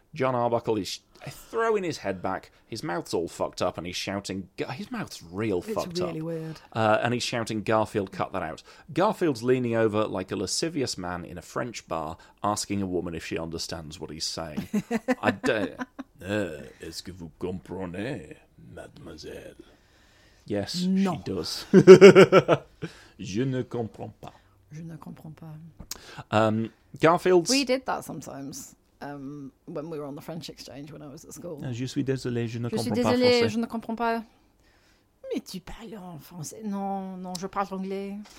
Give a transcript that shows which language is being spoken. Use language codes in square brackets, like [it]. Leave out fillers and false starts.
[en] John Arbuckle is throwing his head back. His mouth's all fucked up, and he's shouting. His mouth's real fucked up. It's really weird. And he's shouting, "Garfield, cut that out." Garfield's leaning over like a lascivious man in a French bar, asking a woman if she understands what he's saying. I don't. [fr] Est-ce que vous comprenez, mademoiselle? [en] Yes, no. She does. [fr] Je ne comprends pas. Je ne comprends pas. [en] Garfield's... We did that sometimes when we were on the French exchange when I was at school. [fr] Je suis désolé, je ne comprends pas. Je suis désolé, je ne comprends pas. Mais tu parles en français. Non, non, je parle anglais.